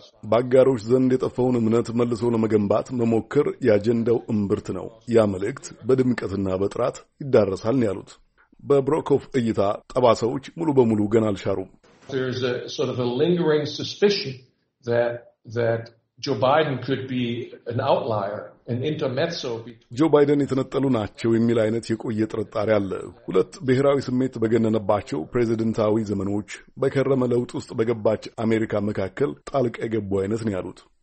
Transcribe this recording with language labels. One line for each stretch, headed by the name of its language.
Amharic: በአጋሮች ዘንድ የጠፋውን እምነት መልሶ ለመገንባት መሞከር የአጀንዳው እምብርት ነው። ያ መልእክት በድምቀትና በጥራት ይዳረሳል ነው ያሉት። በበርኮቭ እይታ ጠባሳዎች ሙሉ በሙሉ ገና አልሻሩም።
English: There's a sort of a lingering suspicion that Joe Biden could be an outlier, an intermezzo between
Amharic: Joe Biden የተነጠሉ ናቸው የሚል አይነት የቆየ ጥርጣሬ አለ። ሁለት ብሔራዊ ስሜት በገነነባቸው ፕሬዝዳንታዊ ዘመኖች በከረመ ለውጥ ውስጥ በገባች አሜሪካ መካከል ጣልቃ የገቡ አይነት ነው ያሉት።